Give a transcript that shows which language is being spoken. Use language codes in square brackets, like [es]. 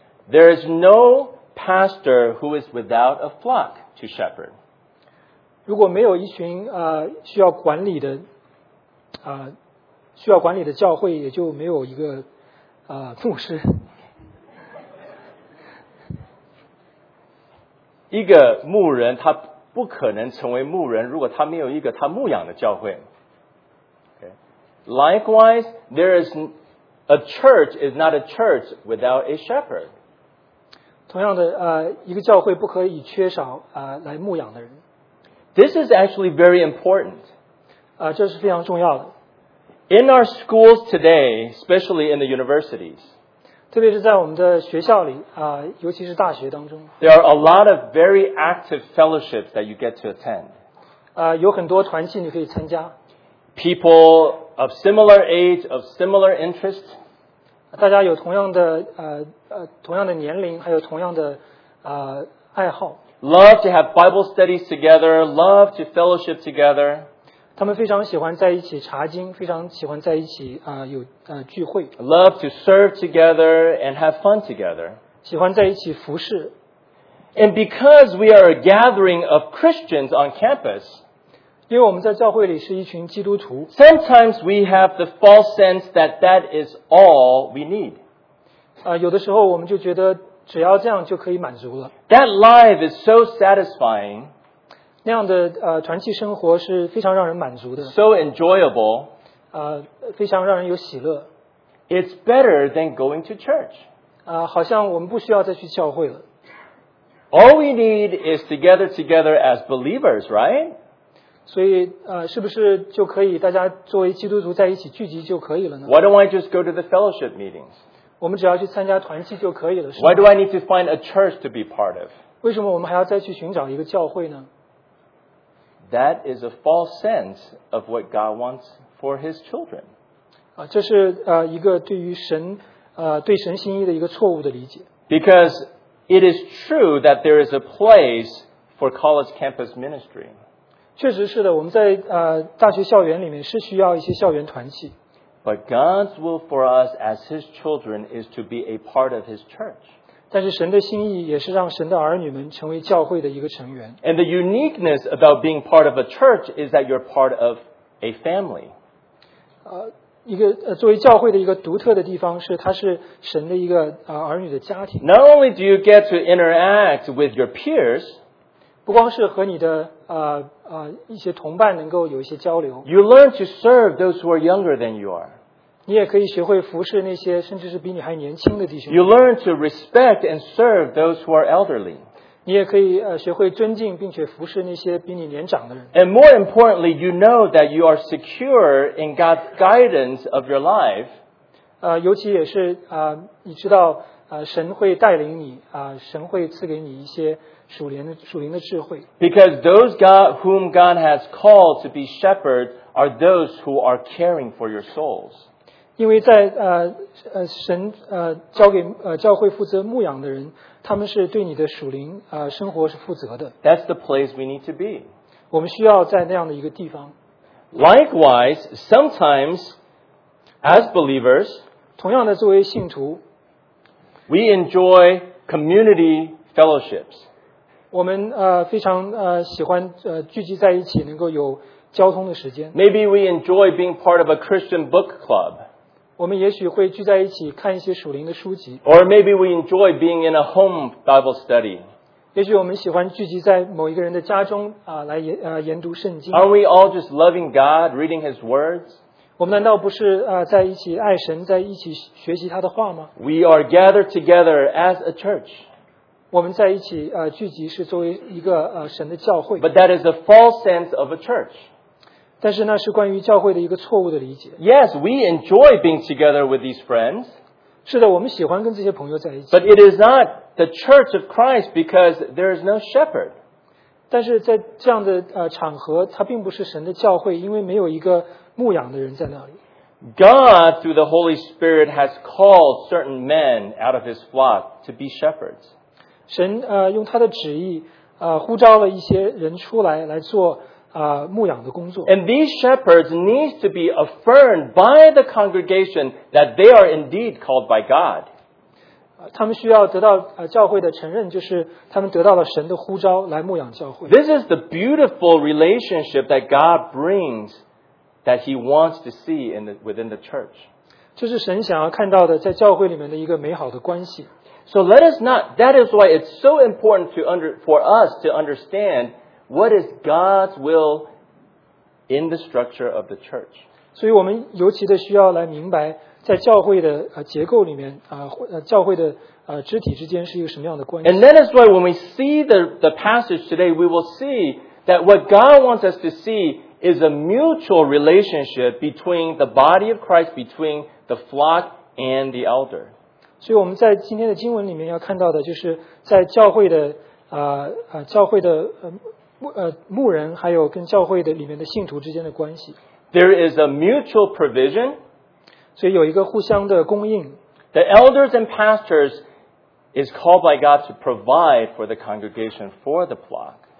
[en] There is no pastor who is without a flock to shepherd. [zh] 如果没有一群需要管理的需要管理的教会，也就没有一个牧师。一个牧人他不可能成为牧人，如果他没有一个他牧养的教会。 [en] Okay. Likewise, there is a church is not a church without a shepherd. [zh] 同样的，一个教会不可以缺少来牧养的人。 [en] This is actually very important. [zh] 这是非常重要的。 [en] In our schools today, especially in the universities. [zh] 特别是在我们的学校里尤其是大学当中。 [en] There are a lot of very active fellowships that you get to attend. [zh] 有很多团契你可以参加。 [en] People of similar age, of similar interest. [zh] 大家有同样的同样的年龄，还有同样的爱好。 [en] Love to have Bible studies together. Love to fellowship together. [zh] 他们非常喜欢在一起查经，非常喜欢在一起有聚会。 [en] Love to serve together and have fun together. [zh] 喜欢在一起服侍。 [en] And because we are a gathering of Christians on campus, [zh] 因为我们在教会里是一群基督徒, [en] sometimes we have the false sense that that is all we need. [zh] 有的时候我们就觉得只要这样就可以满足了。 [en] That life is so satisfying. [zh] 那样的团契生活是非常让人满足的。 [en] So enjoyable. [zh] 非常让人有喜乐。 [en] It's better than going to church. [zh] 好像我们不需要再去教会了。 [en] All we need is to gather together as believers, right? [zh] 所以是不是就可以大家作为基督徒在一起聚集就可以了呢？ [en] Why don't I just go to the fellowship meetings? [zh] 我们只要去参加团契就可以了，是吗？ [en] Why do I need to find a church to be part of? [zh] 为什么我们还要再去寻找一个教会呢？ [en] That is a false sense of what God wants for his children. [zh] 这是一个对于神对神心意的一个错误的理解。 [en] Because it is true that there is a place for college campus ministry. [zh] 确实是的，我们在大学校园里面是需要一些校园团契。 [en] But God's will for us as His children is to be a part of His church. [zh] 但是神的心意也是让神的儿女们成为教会的一个成员。 [en] And the uniqueness about being part of a church is that you're part of a family. [zh] 作为教会的一个独特的地方是它是神的一个儿女的家庭。 [en] Not only do you get to interact with your peers, [zh] 不光是和你的一些同伴能够有一些交流。 [en] You learn to serve those who are younger than you are. [zh] 你也可以学会服侍那些甚至是比你还年轻的弟兄。 [en] You learn to respect and serve those who are elderly. [zh] 你也可以学会尊敬并且服侍那些比你年长的人。 [en] And more importantly, you know that you are secure in God's guidance of your life. [zh] 尤其也是你知道神会带领你神会赐给你一些属灵的智慧。 [en] Because those God whom God has called to be shepherds are those who are caring for your souls. [zh] 因为在神交给教会负责牧养的人，他们是对你的属灵生活是负责的。 [en] That's the place we need to be. [zh] 我们需要在那样的一个地方。 [en] Likewise, sometimes as believers, [zh] 同样的作为信徒， [en] we enjoy community fellowships. [zh] 我们非常喜欢聚集在一起，能够有交通的时间。 [en] Maybe we enjoy being part of a Christian book club. [zh] 我们也许会聚在一起看一些属灵的书籍。 [en] Or maybe we enjoy being in a home Bible study. [zh] 也许我们喜欢聚集在某一个人的家中来研读圣经。 [en] Aren't we all just loving God, reading His words? [zh] 我们难道不是在一起爱神，在一起学习他的话吗？ [en] We are gathered together as a church. [zh] 我们在一起聚集是作为一个神的教会。 [en] But that is a false sense of a church. [zh] 但是那是关于教会的一个错误的理解。 [en] Yes, we enjoy being together with these friends. [zh] 是的，我们喜欢跟这些朋友在一起。 [en] But it is not the church of Christ because there is no shepherd. [zh] 但是在这样的场合，它并不是神的教会，因为没有一个牧养的人在那里。 [en] God, through the Holy Spirit, has called certain men out of his flock to be shepherds. [zh] 神用他的旨意呼召了一些人出来做牧养的工作。 [en] And these shepherds need to be affirmed by the congregation that they are indeed called by God. [zh] 他们需要得到教会的承认，就是他们得到了神的呼召来牧养教会。 [en] This is the beautiful relationship that God brings that he wants to see within the church. [zh] 这是神想要看到的在教会里面的一个美好的关系。 [en] So let us not, that is why it's so important for us to understandWhat is God's will in the structure of the church? [zh] 所以我们尤其的需要来明白在教会的结构里面教会的肢体之间是一个什么样的关系。 [en] And that is why when we see the passage today, we will see that what God wants us to see is a mutual relationship between the body of Christ, between the flock and the elder. [zh] 所以我们在今天的经文里面要看到的就是在教会的教会的牧人还有跟教会的里面的信徒之间的关系。 [en] There is a mutual provision. [zh] 所以有一个互相的供应。 [en] The elders and pastors is called by God to provide for the congregation for the flock.